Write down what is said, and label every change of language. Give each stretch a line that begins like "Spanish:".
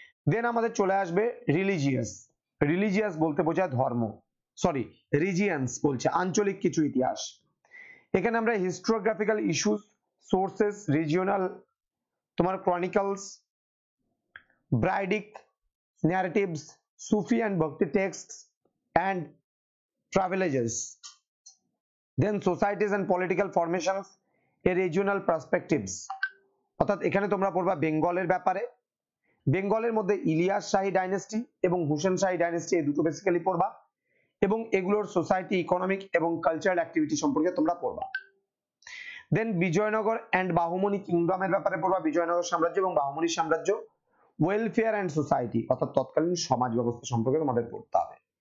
Bangla: দেন আমাদের চলে আসবে রিলিজিয়াস, রিলিজিয়াস বলতে বোঝায় ধর্ম, সরি রিজিয়ান্স বলছে আঞ্চলিক কিছু ইতিহাস, এখানে আমরা হিস্টোরিওগ্রাফিক্যাল ইস্যুস, সোর্সেস, রিজিওনাল তোমার ক্রনিকলস, ব্রাইডিক ন্যারেটিভস,
English: Sufi and bhakti text and travelages, then societies and political formations, a regional perspectives.
Bangla: অর্থাৎ এখানে তোমরা পড়বা বেঙ্গলের ব্যাপারে, বেঙ্গলের মধ্যে ইলিয়াস শাহী ডাইনেস্টি এবং হুসেন শাহী ডাইনেস্টি এই দুটো বেসিক্যালি পড়বা, এবং এগুলোর সোসাইটি ইকোনমিক এবং কালচারাল অ্যাক্টিভিটি সম্পর্কে তোমরা পড়বা। দেন বিজয়নগর এন্ড বাহুমনি কিংডমের ব্যাপারে পড়বা, বিজয়নগর সাম্রাজ্য এবং বাহুমনি সাম্রাজ্য, ওয়েলফেয়ার এন্ড সোসাইটি অর্থাৎ তৎকালীন সমাজ ব্যবস্থা সম্পর্কে তোমাদের পড়তে হবে।